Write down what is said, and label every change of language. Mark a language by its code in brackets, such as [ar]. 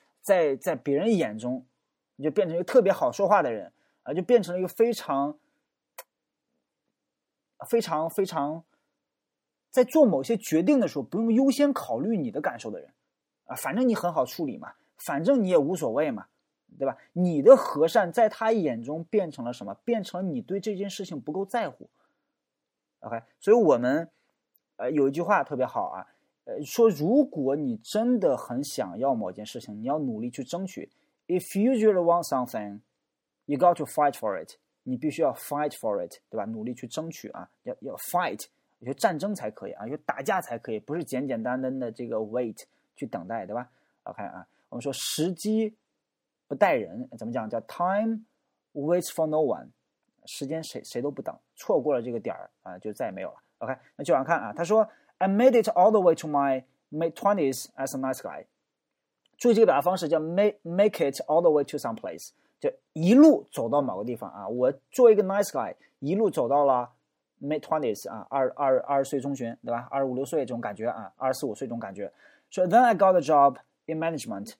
[zh] 在别人眼中你就变成一个特别好说话的人啊，就变成了一个非常非常非常在做某些决定的时候不用优先考虑你的感受的人啊，反正你很好处理嘛，反正你也无所谓嘛，对吧？你的和善在他眼中变成了什么？变成了你对这件事情不够在乎。 OK， 所以我们有一句话特别好啊，说如果你真的很想要某件事情，你要努力去争取。 [en] If you really want something, you got to fight for it. [zh] 你必须要 [en] fight for it, [zh] 对吧？努力去争取啊，要 fight, 就战争才可以啊，就打架才可以，不是简简单单的这个 wait 去等待，对吧 ？OK 啊，我们说时机不待人，怎么讲？叫 [en] time waits for no one， [zh] 时间谁都不等，错过了这个点儿啊，就再也没有了。 [en] OK， [zh] 那就往看啊，他说。 [en] I made it all the way to my mid-20s as a nice guy. [zh] 注意这个表达方式叫 [en] make it all the way to some place. [zh] 就一路走到某个地方啊。我作为一个 [en] nice guy, [zh] 一路走到了 [en] mid twenties [zh] 啊，二十岁中旬，对吧？ 25、26岁这种感觉啊，24、25岁这种感觉。 [en] So then I got a job in management.